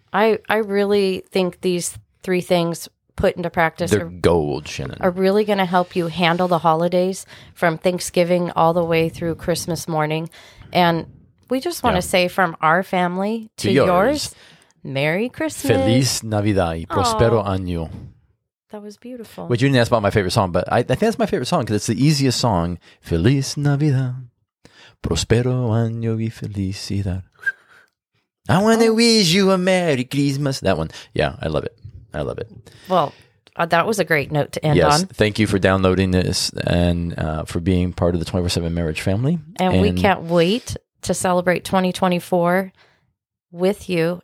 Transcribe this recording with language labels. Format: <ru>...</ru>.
<en>I really think these three things put into practice, they're gold, Shannon. Are really going to help you handle the holidays from Thanksgiving all the way through Christmas morning. And we just want to say from our family to yours, Merry Christmas.</en> <es>Feliz Navidad y Prospero Año.</es> <en>That was beautiful. Which you didn't ask about my favorite song, but I think that's my favorite song because it's the easiest song.</en> <es>Feliz Navidad, Prospero Año y Felicidad.</es> <en>I want to wish you a Merry Christmas. That one. Yeah, I love it. I love it. Well, that was a great note to end on. Yes, thank you for downloading this and for being part of the 24/7 Marriage family. And we can't wait to celebrate 2024 with you.</en>